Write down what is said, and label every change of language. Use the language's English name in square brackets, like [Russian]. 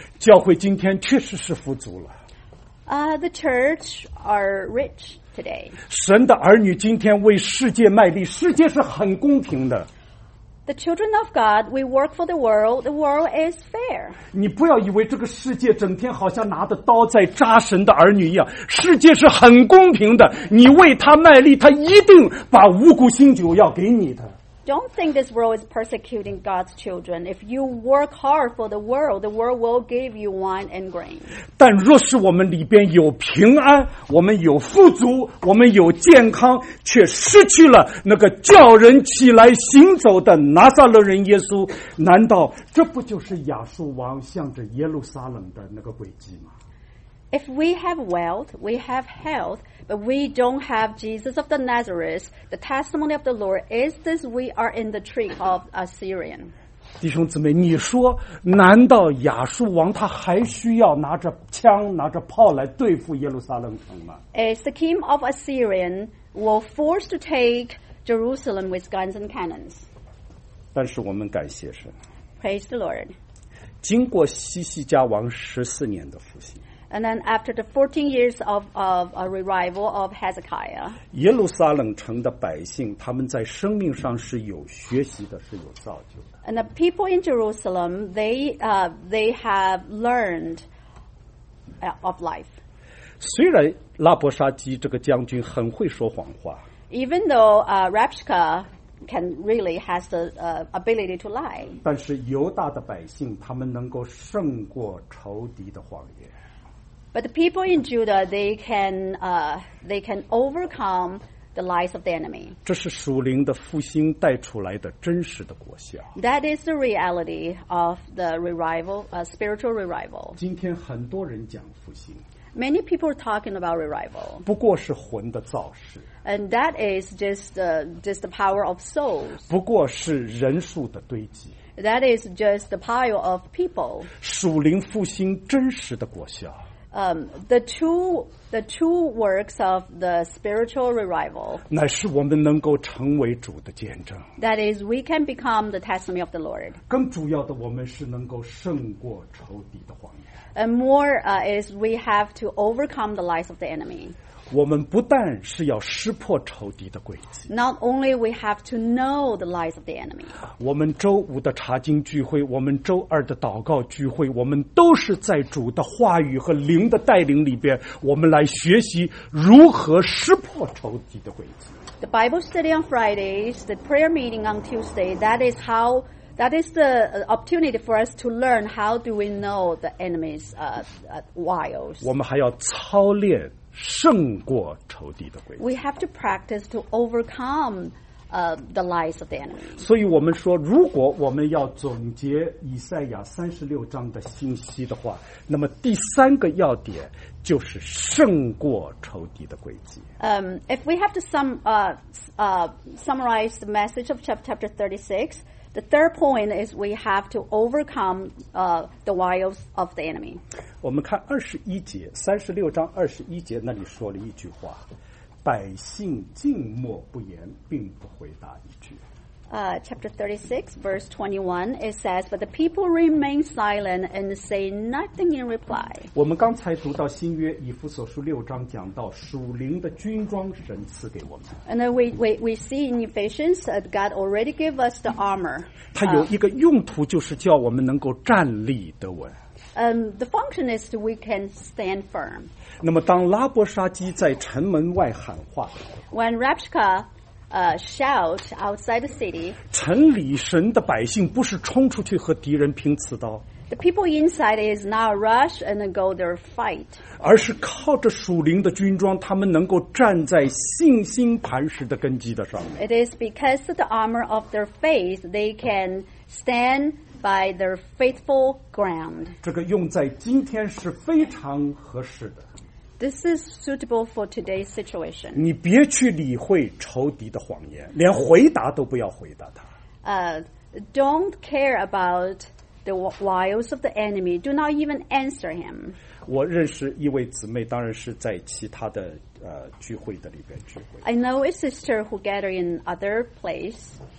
[Chinese] 教会今天确实是富足了。 [English] The church are rich today. [Chinese] 神的儿女今天为世界卖力，世界是很公平的。 [English] The children of God, we work for the world. The world is fair. [Chinese] 你不要以为这个世界整天好像拿着刀在扎神的儿女一样，世界是很公平的。你为他卖力，他一定把五谷新酒要给你的。 [English] Don't think this world is persecuting God's children. If you work hard for the world will give you wine and grain. [Chinese] 但若是我们里边有平安，我们有富足，我们有健康，却失去了那个叫人起来行走的拿撒勒人耶稣，难道这不就是亚述王向着耶路撒冷的那个轨迹吗？ [English] If we have wealth, we have health, but we don't have Jesus of the Nazareth, the testimony of the Lord is this, we are in the tree of Assyrian. [Chinese] 弟兄姊妹，你说难道亚述王他还需要拿着枪拿着炮来对付耶路撒冷城吗？ [English] Is the king of Assyrian will force to take Jerusalem with guns and cannons? [Chinese] 但是我们感谢神。 [English] Praise the Lord. [Chinese] 经过西西家王十四年的复兴。 [English] And then after the 14 years of a revival of Hezekiah, [Chinese] 耶路撒冷城的百姓，他们在生命上是有学习的，是有造就的。 [English] And the people in Jerusalem, they have learned of life. [Chinese] 虽然拉伯沙基这个将军很会说谎话。 [English] Even though Rabshakeh can really has the ability to lie. [Chinese] 但是犹大的百姓，他们能够胜过仇敌的谎言。 [English] But the people in Judah, they can overcome the lies of the enemy. [Chinese] 这是属灵的复兴带出来的真实的果效。 [English] That is the reality of the revival, spiritual revival. [Chinese] 今天很多人讲复兴。 [English] Many people are talking about revival. [Chinese] 不过是魂的造势。 [English] And that is just the power of souls. [Chinese] 不过是人数的堆积。 [English] That is just the pile of people. [Chinese] 属灵复兴真实的果效。 [English] The two works of the spiritual revival. [Chinese] 乃是我们能够成为主的见证。 [English] That is, we can become the testimony of the Lord. [Chinese] 更主要的，我们是能够胜过仇敌的谎言。 [English] And more, is we have to overcome the lies of the enemy. [Chinese] 我们不但是要识破仇敌的诡计。 [English] Not only we have to know the lies of the enemy. [Chinese] 我们周五的查经聚会，我们周二的祷告聚会，我们都是在主的话语和灵的带领里边，我们来学习如何识破仇敌的诡计。 [English] The Bible study on Fridays, the prayer meeting on Tuesday, that is the opportunity for us to learn how do we know the enemy's wiles. [Chinese] 我们还要操练胜过仇敌的诡计。 [English] We have to practice to overcome the lies of the enemy. [Chinese] 所以我们说，如果我们要总结以赛亚36章的信息的话，那么第三个要点就是胜过仇敌的诡计。 [English] If we have to summarize the message of chapter 36, the third point is we have to overcome the wiles of the enemy. [Chinese] 我们看36章21节那里说了一句话，百姓静默不言，并不回答一句。 [English] Chapter 36, verse 21, it says, But the people remain silent and say nothing in reply. [Chinese] 我们刚才读到新约以弗所书六章，讲到属灵的军装神赐给我们。 [English] And then we see in Ephesians that God already gave us the armor. [Chinese] 它有一个用途，就是叫我们能够站立得稳。 [English] The function is we can stand firm. [Chinese] 那么当拉伯沙基在城门外喊话， [English] When Rabshakeh shout outside the city, [Chinese] 城里神的百姓不是冲出去和敌人拼刺刀， [English] The people inside is not rush and go their fight, [Chinese] 而是靠着属灵的军装，他们能够站在信心磐石的根基的上面。 [English] It is because of the armor of their faith they can stand by their faithful ground. [Chinese] 这个用在今天是非常合适的。 [English] This is suitable for today's situation. [Chinese] 你别去理会仇敌的谎言，连回答都不要回答他。 [English] Don't care about the wiles of the enemy. Do not even answer him. [Chinese] 我认识一位姊妹，当然是在其他的聚会的里边聚会。 [English] I know a sister who gathered in other place.